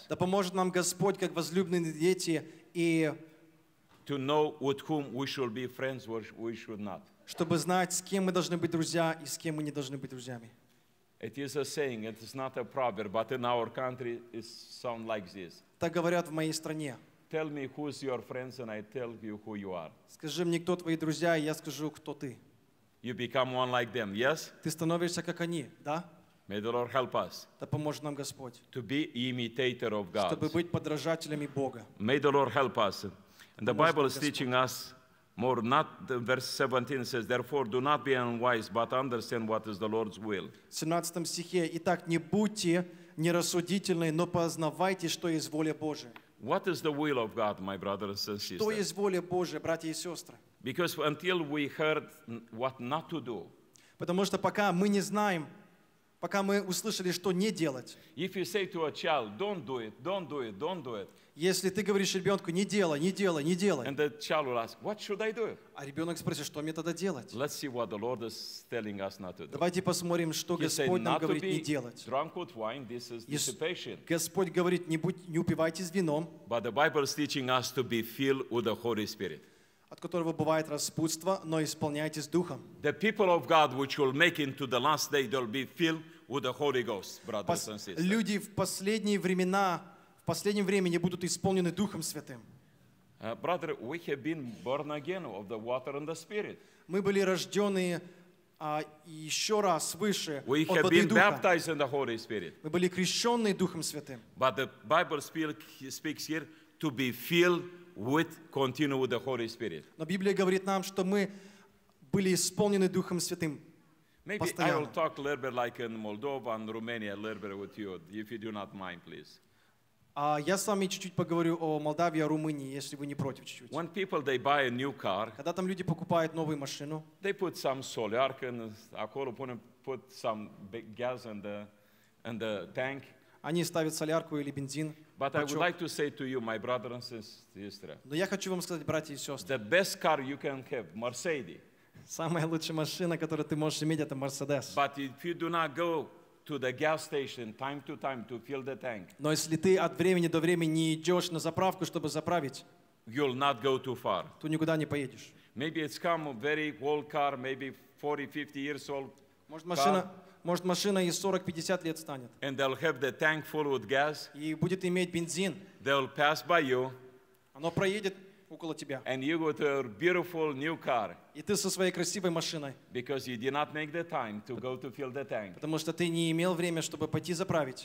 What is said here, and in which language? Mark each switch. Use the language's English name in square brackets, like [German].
[Russian] Да поможет нам Господь, как возлюбленные дети, и [English] to know with whom we should be friends, or we should not. [Russian] Чтобы знать, с кем мы должны быть друзья и с кем мы не должны быть друзьями. [English] It is a saying, it is not a proverb, but in our country it sounds like this. [Russian] Так говорят в моей стране. [English] Tell me who is your friends and I tell you who you are. [Russian] Скажи мне, кто твои друзья, и я скажу, кто ты. [English] You become one like them, yes? [Russian] Ты становишься как они, да? [English] May the Lord help us. [Russian] Да поможет нам Господь. [English] To be imitator of God. [Russian] Чтобы быть подражателями Бога. [English] May the Lord help us. And the Bible is teaching us more. Not verse 17 says, therefore, do not be unwise, but understand what is the Lord's will. [Russian] В 17 стихе, итак, не будьте нерассудительны, но познавайте, что есть воля Божия. [English] What is the will of God, my brothers and sisters? [Russian] Что есть воля Божия, братья и сестры? [English] Because until we heard what not to do. [Russian] Потому что пока мы не знаем, пока мы услышали, что не делать. [English] If you say to a child, don't do it, don't do it, don't do it. [Russian] Если ты говоришь ребенку, не делай, не делай, не делай. [English] And the child will ask, what should I do? [Russian] А ребенок спросит, что мне тогда делать? [English] Let's see what the Lord is telling us not to do. [Russian] Давайте посмотрим, что Господь нам говорит не делать. [English] Drunk with wine, this is dissipation. [Russian] Господь говорит, не упивайтесь вином. [English] But the Bible is teaching us to be filled with the Holy Spirit. [Russian] От которого бывает распутство, но исполняйтесь Духом. [English] The people of God, which will make into the last day, they'll be filled with the Holy Ghost, brothers and sisters. [Russian] Люди в последние времена, в последнем времени будут исполнены Духом Святым. [English] Brother, we have been born again of the water and the Spirit. [Russian] Мы были рождены еще раз выше от воды Духа. [English] We have been baptized in the Holy Spirit. [Russian] Мы были крещены Духом Святым. [English] But the Bible speaks here to be filled with continue with the Holy Spirit. [Russian] Но Библия говорит нам, что мы были исполнены Духом Святым постоянно. [English] Maybe I will talk a little bit like in Moldova and Romania a little bit with you, if you do not mind, please. [Russian] Я с вами чуть-чуть поговорю о Молдавии, о Румынии, если вы не против чуть-чуть. [English] When people they buy a new car, [Russian] когда там люди покупают новую машину, [English] they put some solarka in, [Romanian] acolo pune, [English] put some big gas in the tank. [Russian] Они ставят солярку или бензин. [English] But I would like to say to you, my brother and sister. [Russian] Но я хочу вам сказать, братья и сестры. [English] The best car you can have, Mercedes. [Russian] Самая лучшая машина, которую ты можешь иметь, это Mercedes. [English] But if you do not go to the gas station time to time to fill the tank. [Russian] Но если ты от времени до времени не идешь на заправку, чтобы заправить, [English] you'll not go too far. [Russian] Ты никуда не поедешь. [English] Maybe it's come a very old car, maybe 40-50 years old. [Russian] Может машина. Может, машина из 40-50 лет станет. [English] And they'll have the tank full with gas. [Russian] И будет иметь бензин. [English] They'll pass by you. [Russian] Оно проедет около тебя. [English] And you got a beautiful new car. [Russian] И ты со своей красивой машиной. [English] Because you did not make the time to go to fill the tank. [Russian] Потому что ты не имел время, чтобы пойти заправить.